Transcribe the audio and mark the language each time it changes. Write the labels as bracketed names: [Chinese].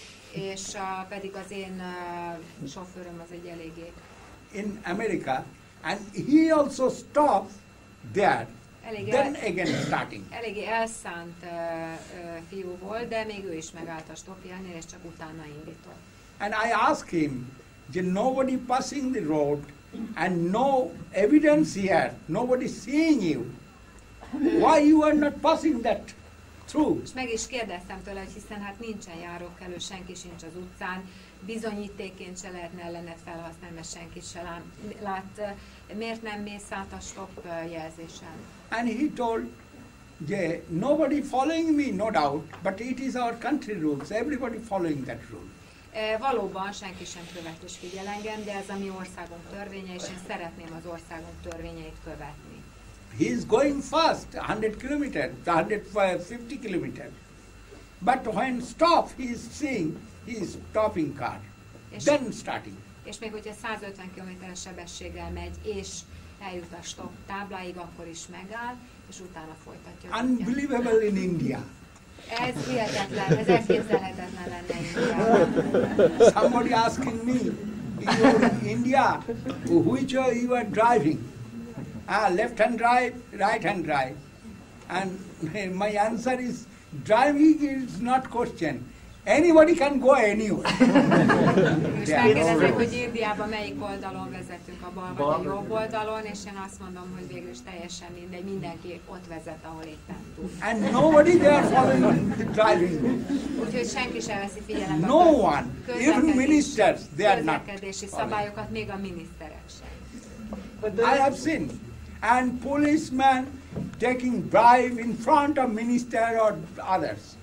[Hungarian] És pedig az én sofőröm az egy eléggé. [English] In America, and he also stopped there. [Hungarian] Eléggé [English] then again starting. [Hungarian] Eléggé elszánt fiú volt, de még ő is megállt a stopjánél, és csak utána indított. [English] And I asked him, nobody passing the road, and no evidence here, nobody seeing you. Why you are not passing that through? [Hungarian] És meg is kérdeztem tőle, hogy hiszen hát nincsen járókelő, senki sincs az utcán, bizonyítéként se lehetne ellened felhasználni, mert senki se lát. Miért nem mész át a stop jelzésen? [English] And he told, nobody following me, no doubt, but it is our country rules, everybody following that rule. [Hungarian] Valóban senki sem követ és figyel engem, de ez a mi országunk törvénye, és én szeretném az országunk törvényeit követni. [English] He is going fast, 100 kilometers, 150 kilometers. But when stop, he is seeing, he is stopping car, then starting. [Hungarian] És még hogyha 150 kilométeres sebességgel megy, és eljut a stop tábláig, akkor is megáll, és utána folytatja. [English] Unbelievable in India. [Hungarian] Ez hihetetlen, ez elképzelhetetlen lenne India. [English] Somebody asking me, you're in India, which you are driving? Left hand drive, right hand drive. And my answer is, driving is not question. Anybody can go anywhere. [Hungarian] Most megkérdezik, hogy Indiában melyik oldalon vezetünk, a bal vagy a jobb oldalon, és én azt mondom, hogy végül is teljesen mindegy, mindenki ott vezet, ahol éppen tud. [English] And nobody there following the driving rules. [Hungarian] Úgyhogy senki sem veszi figyelembe. [English] No one, even ministers, they are not. [Hungarian] Közlekedési szabályokat még a miniszterek sem. [English] I have seen. And policemen taking bribe in front of minister or others.